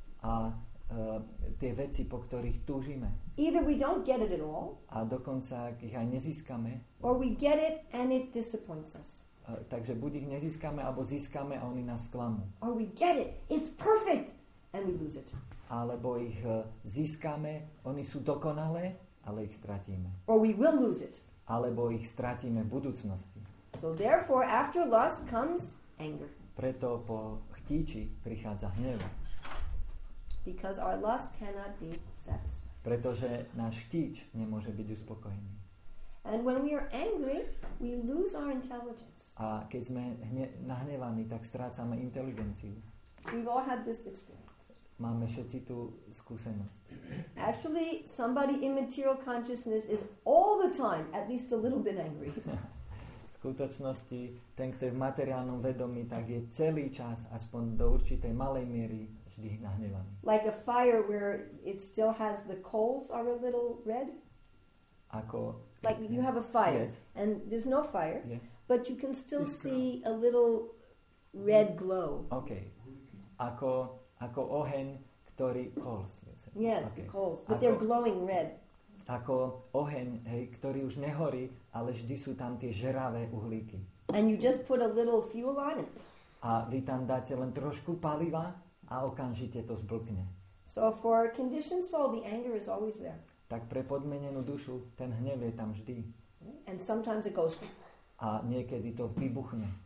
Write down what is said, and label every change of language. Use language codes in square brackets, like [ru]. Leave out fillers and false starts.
[sk] A tie veci, po ktorých túžime. [en] Either we don't get it at all. [sk] A dokonca ich aj nezískame. [en] Or we get it and it disappoints us. [sk] Takže buď ich nezískame, alebo získame a oni nás sklamú. [en] Or we get it, it's perfect, and we lose it. [sk] Alebo ich získame, oni sú dokonalé, ale ich stratíme. [en] Or we will lose it. [sk] Alebo ich stratíme v budúcnosti. [en] So therefore, after lust comes anger. [sk] Preto po chtíči prichádza hnev. [en] Because our lust cannot be satisfied. [sk] Pretože náš chtíč nemôže byť uspokojený. [en] And when we are angry, we lose our intelligence. [sk] A keď sme nahnevaní, tak strácame inteligenciu. [en] We've all had this experience. [sk] Máme všetci tú skúsenosť. [en] Actually, somebody in material consciousness is all the time at least a little bit angry. [sk] V skutočnosti, ten, kto je v materiálnom vedomí, tak je celý čas, aspoň do určitej malej miery, [en] like a fire where it still has the coals are a little red. [sk] Ako [en] like you have a fire, yes. And there's no fire, yes. But you can still see a little red glow. [sk] Okay. Ako oheň, ktorý kols. [en] Yes, yes, okay. The coals, but they're glowing red. [sk] Ako oheň, hej, ktorý už nehorí, ale vždy sú tam tie žeravé uhlíky. [en] And you just put a little fuel on it. [sk] A vy tam dáte len trošku paliva a okamžite to zblkne. [en] So for a conditioned soul, the anger is always there. [sk] Tak pre podmenenú dušu ten hnev je tam vždy. [en] And sometimes it goes. [sk] A niekedy to vybuchne.